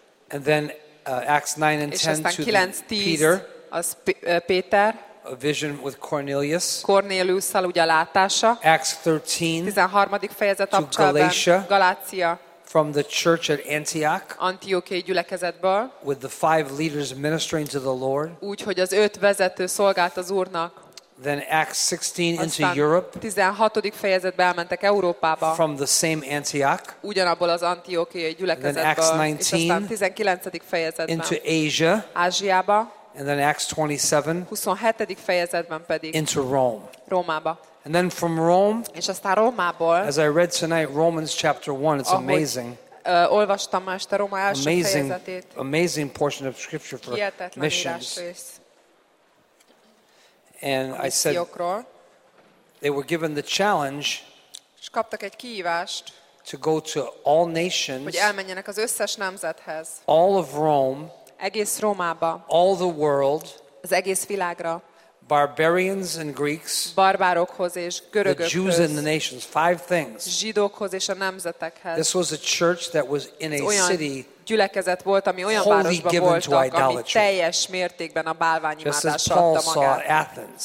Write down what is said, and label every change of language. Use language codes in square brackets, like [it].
[en] And then Acts 9 and 10 to [hu] 9, 10, [en] Peter. [hu] Az Péter. [en] A vision with Cornelius. [hu] Cornéliussal ugye látása. [en] Acts 13. [hu] 13. fejezet Apcselben. Galatia. Galácia. [en] From the church at Antioch. [hu] Antiochiai gyülekezetből. [en] With the five leaders ministering to the Lord. [hu] Úgyhogy az öt vezető szolgált az Úrnak. [en] Then Acts 16 [hu] aztán [en] into Europe. [hu] 16. fejezetbe elmentek Európába. [en] From the same Antioch. [hu] Ugyanabból az antiochiai gyülekezetből. [en] Then Acts 19. [hu] És aztán 19. fejezetben. [en] Into Asia. [hu] Ázsiába. [en] And then Acts 27. [hu] 27. fejezetben pedig. [en] Into Rome. [hu] Rómába. [en] And then from Rome. [hu] És aztán Rómából. [en] As I read tonight, Romans chapter 1, it's [hu] ahogy, [en] amazing. [hu] Olvastam ma este Róma első [en] amazing, [hu] fejezetét. [en] Amazing portion of scripture for missions. And I said, they were given the challenge. [hu] És kaptak egy kihívást. [en] To go to all nations. [hu] Hogy elmenjenek az összes nemzethez. [en] All of Rome. [hu] Egész Rómába. [en] All the world. [hu] Az egész világra. [en] Barbarians and Greeks. [hu] Barbárokhoz és görögökhöz. [en] The Jews and the nations. Five things. [hu] Zsidókhoz és a nemzetekhez. [en] This was a church that was in a city. [hu] Gyülekezet volt, ami olyan városban volt, ami teljes mértékben a bálványimádással adta magát.